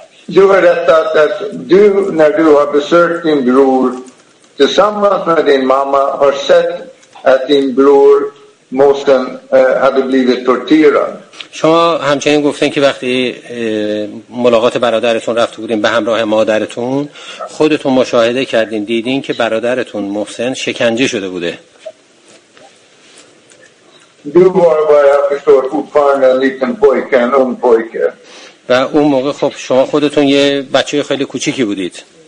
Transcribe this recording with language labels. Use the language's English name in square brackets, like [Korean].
[Swedish] Du har berättat att du, när du har besökt din bror tillsammans med din mamma, har sett att din bror Mohsen hade blivit torterad. [Persian] شما همچنین گفتین که وقتی ملاقات برادرتون رفته بودین به همراه مادرتون، خودتون مشاهده کردین، دیدین که برادرتون محسن شکنجه شده بوده. [Swedish] Du var bara förstår fortfarande en liten pojke, en ung pojke. [Persian] و اون موقع خب شما خودتون یه بچه خیلی کوچیکی بودید.